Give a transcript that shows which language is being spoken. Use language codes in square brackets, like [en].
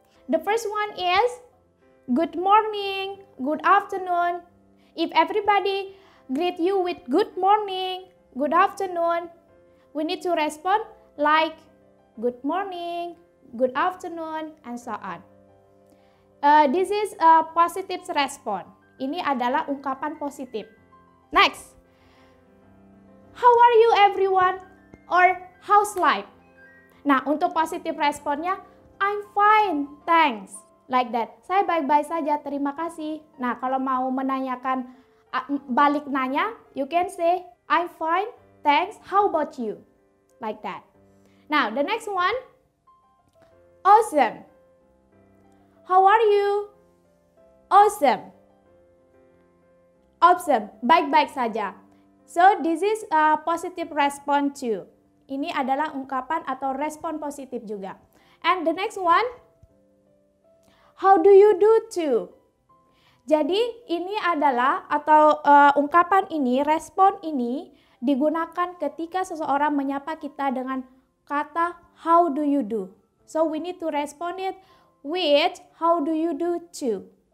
[en] The first one is good morning, good afternoon. If everybody greet you with good morning, good afternoon, we need to respond like good morning, good afternoon, and so on. This is a positive response. [id] Ini adalah ungkapan positif. [en] Next. How are you everyone? Or how's life? [id] Nah, untuk positive responnya, [en] I'm fine, thanks. Like that. [id] Saya baik-baik saja, terima kasih. Nah, kalau mau menanyakan, balik nanya, [en] you can say, I'm fine, thanks, how about you? Like that. Now, the next one, awesome. How are you? Awesome. Awesome, [id] baik-baik saja. [en] So, this is a positive response too. [id] Ini adalah ungkapan atau respon positif juga. [en] And the next one, how do you do too? [id] Jadi, ini adalah atau ungkapan ini, respon ini digunakan ketika seseorang menyapa kita dengan kata [en] how do you do. So we need to respond it with how do you do too.